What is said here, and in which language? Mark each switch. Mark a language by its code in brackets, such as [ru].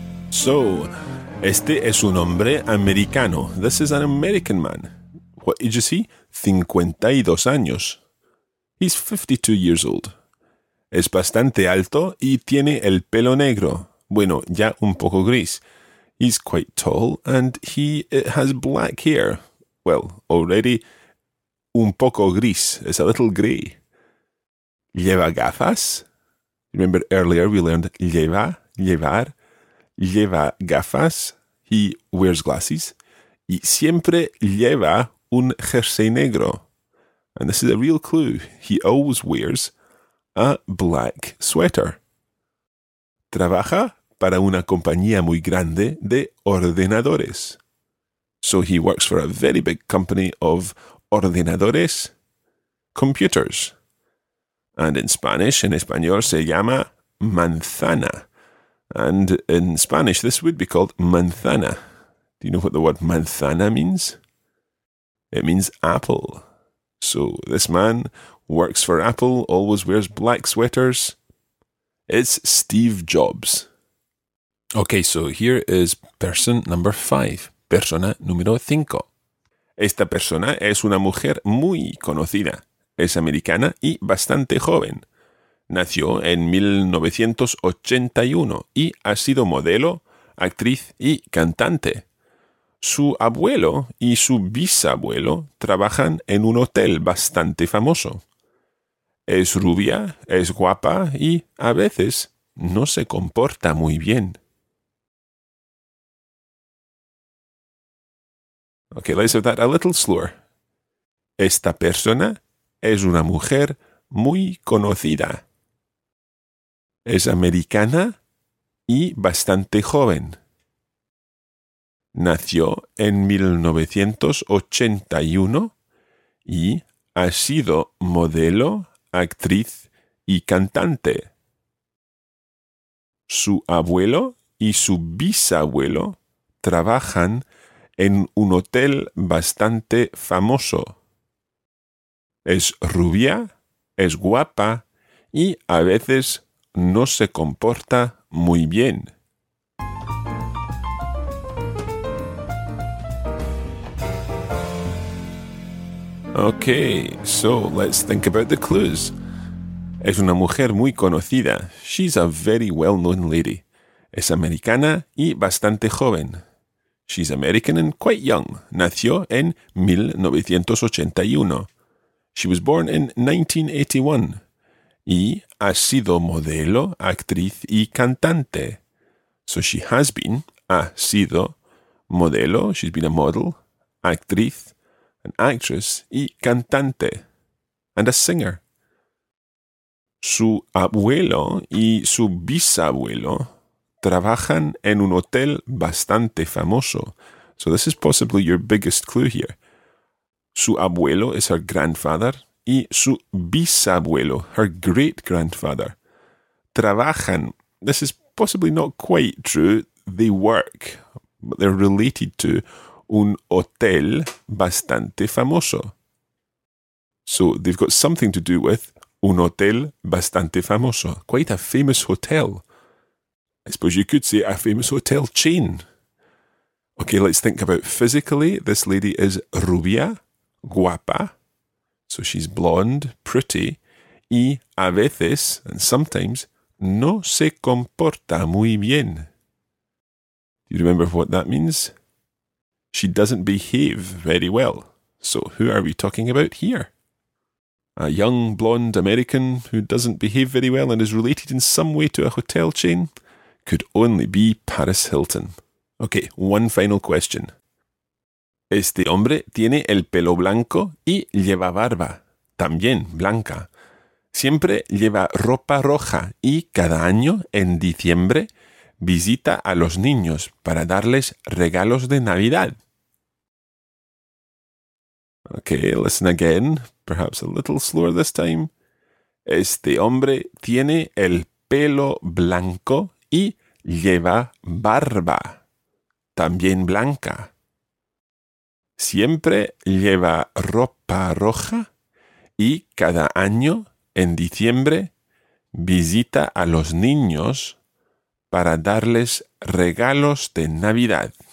[es] So, este es un hombre americano. [en] This is an American man. What did you see? [es] 52 años. [en] He's 52 years old. [es] Es bastante alto y tiene el pelo negro. Bueno, ya un poco gris. [en] He's quite tall and he has black hair. Well, already [es] un poco gris. [en] It's a little gray. [es] Lleva gafas. [en] Remember earlier we learned lleva, llevar. [es] Lleva gafas. [en] He wears glasses. [es] Y siempre lleva un jersey negro. [en] And this is a real clue. He always wears a black sweater. [es] Trabaja para una compañía muy grande de ordenadores. [en] So he works for a very big company of ordenadores, computers. And in Spanish, [es] en español, se llama manzana. [en] And in Spanish, this would be called manzana. Do you know what the word manzana means? It means apple. So this man works for Apple, always wears black sweaters. It's Steve Jobs. Okay, so here is person number 5. [es] Persona número 5. Esta persona es una mujer muy conocida. Es americana y bastante joven. Nació en 1981 y ha sido modelo, actriz y cantante. Su abuelo y su bisabuelo trabajan en un hotel bastante famoso. Es rubia, es guapa y, a veces, no se comporta muy bien. [en] Okay, let's have that a little slower. [es] Esta persona es una mujer muy conocida. Es americana y bastante joven. Nació en 1981 y ha sido modelo, actriz y cantante. Su abuelo y su bisabuelo trabajan en un hotel bastante famoso. Es rubia, es guapa y a veces no se comporta muy bien. [en] Okay, so let's think about the clues. [es] Es una mujer muy conocida. [en] She's a very well-known lady. [es] Es americana y bastante joven. [en] She's American and quite young. [es] Nació en 1981. [en] She was born in 1981. [es] Y ha sido modelo, actriz y cantante. [en] So she has been, [es] ha sido modelo, [en] she's been a model, actriz, an actress [es] y cantante, [en] and a singer. [es] Su abuelo y su bisabuelo trabajan en un hotel bastante famoso. [en] So this is possibly your biggest clue here. [es] Su abuelo [en] is her grandfather [es] y su bisabuelo, [en] her great-grandfather, trabajan. This is possibly not quite true. They work, but they're related to [es] un hotel bastante famoso. [en] So they've got something to do with [es] un hotel bastante famoso. [en] Quite a famous hotel. I suppose you could say a famous hotel chain. Okay, let's think about physically. This lady is [es] rubia, guapa. [en] So she's blonde, pretty. [es] Y a veces, [en] and sometimes, [es] no se comporta muy bien. [en] Do you remember what that means? She doesn't behave very well. So who are we talking about here? a young blonde American who doesn't behave very well and is related in some way to a hotel chain, could only be Paris Hilton. Okay, one final question. [es] Este hombre tiene el pelo blanco y lleva barba, también blanca. Siempre lleva ropa roja y cada año, en diciembre, visita a los niños para darles regalos de Navidad. [en] Okay, listen again, perhaps a little slower this time. [es] Este hombre tiene el pelo blanco y lleva barba, también blanca. Siempre lleva ropa roja y cada año, en diciembre, visita a los niños para darles regalos de Navidad.